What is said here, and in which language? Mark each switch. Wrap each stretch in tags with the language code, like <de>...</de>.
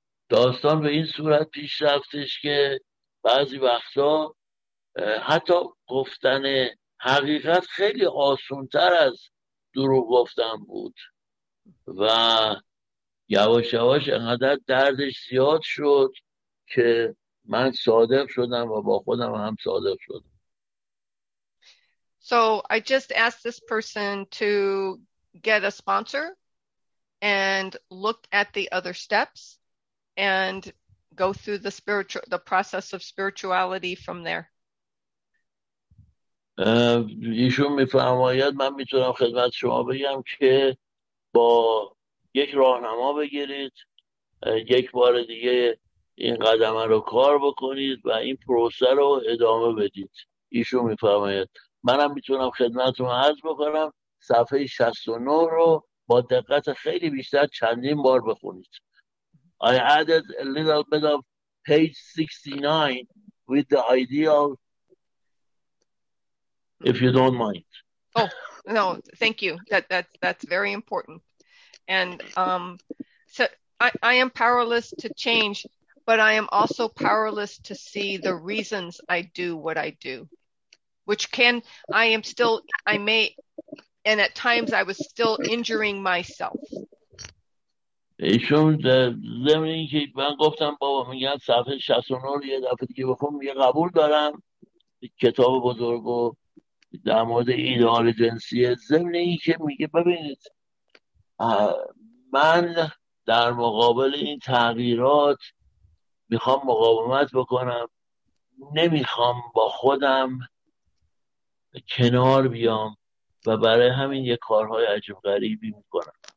<fa>داستان به این صورت پیش رفتش که بعضی وقتا حتی گفتن حقیقت خیلی آسان‌تر از دروغ گفتن بود و یواش یواش انقدر دردش زیاد شد که من صادق شدم و با خودم هم صادق شدم.</fa> <en>So I just asked this person to get a sponsor and look at the other steps and go through the spiritual, the process of spirituality from there.</en> <fa>ایشون میفرماید من میتونم خدمت شما بگم که با یک راهنما بگیرید، یک بار دیگه این قدم رو کار بکنید و این پروسه رو ادامه بدید. ایشون میفرماید منم میتونم خدمت رو عرض بکنم، صفحه 69 رو با دقت خیلی بیشتر چندین بار بخونید.</fa> <en>I added a little bit of page 69 with the idea of if you don't mind. Oh, no, thank you. That's very important. And so I am powerless to change, but I am also powerless to see the reasons I do what I do, which can, I am still, I may, and at times I was still injuring myself.</en> <fa>ایشون زمین این که من گفتم بابا میگن صفحه 69 رو یه دفعه دیگه بخون، میگه قبول دارم کتاب بزرگ و در مورد ایدئال جنسیه. زمین این که میگه ببینید من در مقابل این تغییرات میخوام مقاومت بکنم، نمیخوام با خودم کنار بیام و برای همین یه کارهای عجب غریبی میکنم.</fa>